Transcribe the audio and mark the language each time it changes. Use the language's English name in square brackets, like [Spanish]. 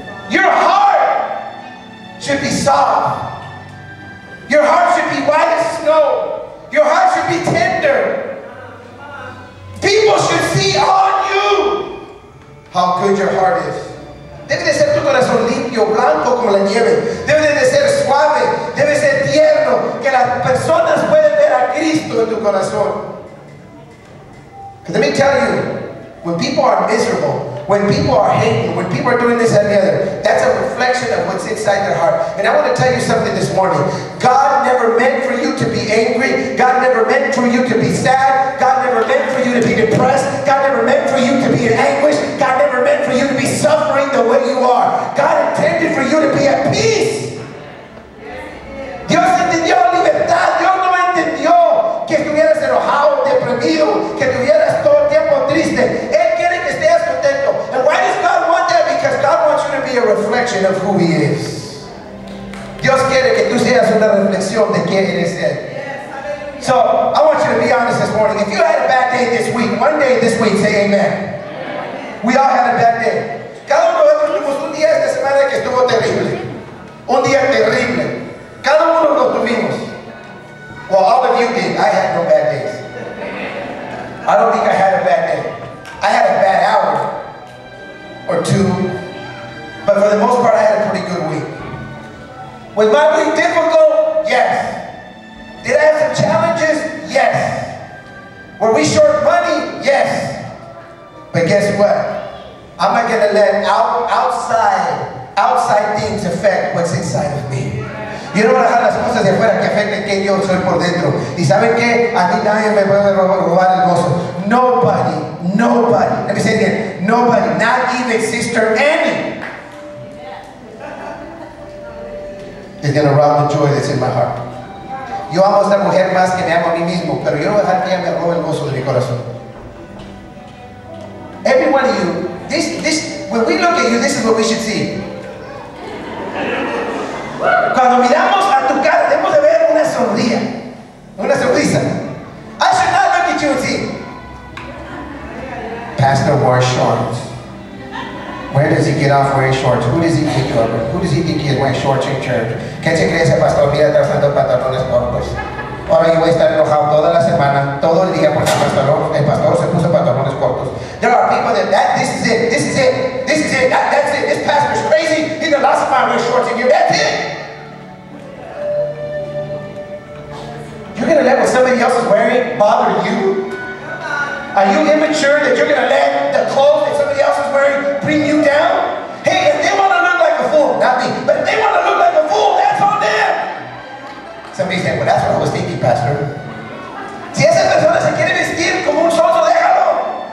[English] Your heart should be soft. Your heart should be white as snow. Your heart should be tender. People should see on you how good your heart is. [Spanish] Debe de ser tu corazón limpio, blanco como la nieve. Debe de ser suave. Debe ser tierno. Que las personas pueden ver a Cristo en tu corazón. [English] Because let me tell you, when people are miserable, when people are hating, when people are doing this and the other, that's a reflection of what's inside their heart. And I want to tell you something this morning. God never meant for you to be angry. God never meant for you to be sad. God never meant for you to be depressed. God never meant for you to be in anguish. God never meant for you to be suffering the way you are. God intended for you to be at peace. [Spanish] Dios entendió libertad. Dios no entendió que estuvieras enojado, deprimido, que tuvieras todo el tiempo triste. [English] A reflection of who he is. [Spanish] Dios quiere que tú seas una reflexión de quién eres él. [English] Yes, so, I want you to be honest this morning. If you had a bad day this week, one day this week, say amen. Amen. We all had a bad day. [Spanish] Cada uno de nosotros tuvimos un día esta semana que estuvo terrible. Un día terrible. Cada uno lo tuvimos. [English] Well, all of you did. I had no bad days. I don't think I had a bad day. I had a bad hour or two. But for the most part, I had a pretty good week. Was my week difficult? Yes. Did I have some challenges? Yes. Were we short money? Yes. But guess what? I'm not going to let outside things affect what's inside of me. [Spanish] Yo no voy a dejar las cosas de afuera que afecten quién yo soy por dentro. Y saben qué, a ti nadie me puede robar el gozo. [English] Nobody. Let me say it again. Nobody. Not even Sister Annie. Is going to rob the joy that's in my heart. [Spanish] Yo amo a esta mujer más que me amo a mí mismo, pero yo no voy a dejar que ella me robe el gozo de mi corazón. [English] Every one of you, this, when we look at you, this is what we should see. [Spanish] Cuando miramos a tu cara, debemos de ver una sonrisa. Una sonrisa. [English] I should not look at you and see. Pastor wore shorts. Where does he get off wearing shorts? Who does he think you are? Who does he think he is wearing shorts in church? [Spanish] ¿Qué se cree ese pastor? Mira, está usando pantalones cortos. Ahora yo voy a estar enojado toda la semana, todo el día, porque el pastor se puso pantalones cortos. [English] There are people that's it. This pastor's crazy. He's the last time I wear shorts in here. That's it. You're going to let what somebody else is wearing bother you? Are you immature that you're going to let the clothes that somebody else is wearing bring you down? Hey, if they want to look like a fool, not me, but if they want to look like a fool, that's on them. Somebody said, well, that's what I was thinking, Pastor. [Spanish] Si esa persona se quiere vestir como un soso, déjalo.